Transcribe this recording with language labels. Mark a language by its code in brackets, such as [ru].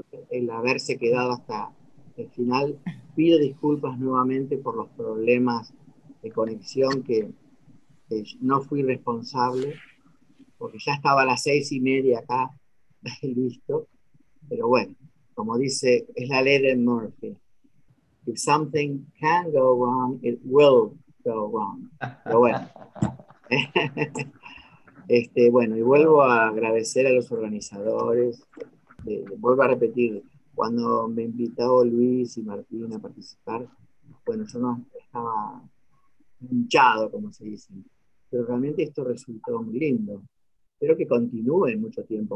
[es] El haberse quedado hasta el final, pido disculpas nuevamente por los problemas de conexión que no fui responsable, porque ya estaba a las 6:30 acá, listo. Pero bueno, como dice, es la ley de Murphy. [en] If something can go wrong, it will go wrong. [es] Pero bueno. bueno, y vuelvo a agradecer a los organizadores. Vuelvo a repetir, cuando me invitó Luis y Martín a participar, bueno, yo no estaba hinchado, como se dice. Pero realmente esto resultó muy lindo. Espero que continúe mucho tiempo